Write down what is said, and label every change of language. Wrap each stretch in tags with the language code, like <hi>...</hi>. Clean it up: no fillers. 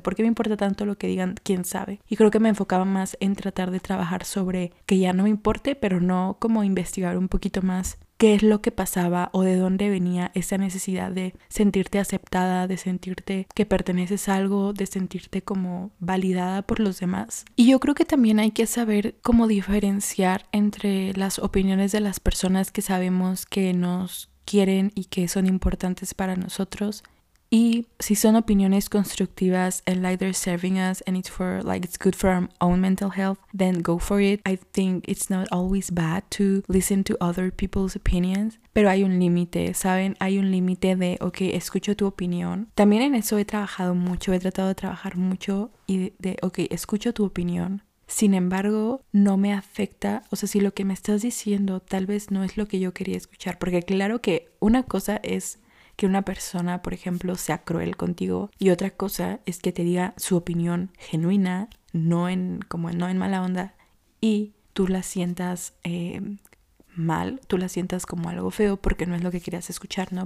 <es>¿Por qué me importa tanto lo que digan? ¿Quién sabe? Y creo que me enfocaba más en tratar de trabajar sobre que ya no me importe, pero no como investigar un poquito más qué es lo que pasaba o de dónde venía esa necesidad de sentirte aceptada, de sentirte que perteneces a algo, de sentirte como validada por los demás. Y yo creo que también hay que saber cómo diferenciar entre las opiniones de las personas que sabemos que nos quieren y que son importantes para nosotros. Y si son opiniones constructivas</es> <en>and like they're serving us and it's for like it's good for our own mental health, then go for it. I think it's not always bad to listen to other people's opinions.</en> <es>Pero hay un límite, ¿saben? Hay un límite de, ok, escucho tu opinión. También en eso he trabajado mucho, he tratado de trabajar mucho y de, ok, escucho tu opinión. Sin embargo, no me afecta. O sea, si lo que me estás diciendo tal vez no es lo que yo quería escuchar. Porque claro que una cosa es que una persona, por ejemplo, sea cruel contigo, y otra cosa es que te diga su opinión genuina, no en mala onda, y tú la sientas mal, tú la sientas como algo feo porque no es lo que querías escuchar, ¿no?</es>